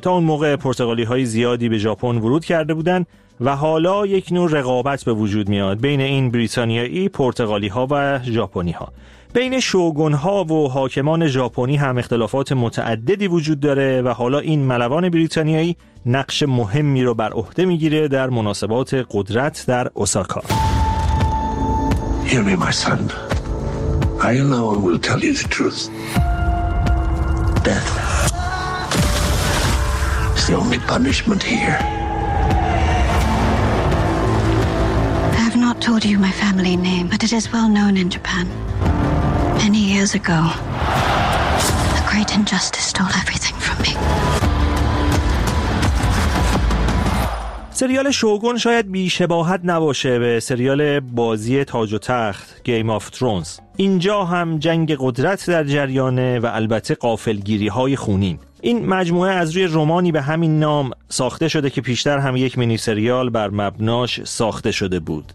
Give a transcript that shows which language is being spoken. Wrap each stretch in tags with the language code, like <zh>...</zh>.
<fa>تا اون موقع پرتغالی های زیادی به ژاپن ورود کرده بودن و حالا یک نوع رقابت به وجود میاد بین این بریتانیایی، پرتغالی ها و ژاپنی ها. بین شوگون ها و حاکمان ژاپنی هم اختلافات متعددی وجود داره و حالا این ملوان بریتانیایی نقش مهمی رو بر عهده میگیره در مناسبات قدرت در اوساکا.</fa> <en>Hear me, my son. I know I will tell you the truth. Death is the only punishment here. I have not told you my family name, but it is well known in Japan. Many years ago, a great injustice stole everything from me.</en> <fa>سریال شوگون شاید بی‌شباهت نباشه به سریال بازی تاج و تخت گیم آف ترونز. اینجا هم جنگ قدرت در جریانه و البته غافلگیری‌های خونین. این مجموعه از روی رمانی به همین نام ساخته شده که پیشتر هم یک مینی سریال بر مبناش ساخته شده بود.</fa>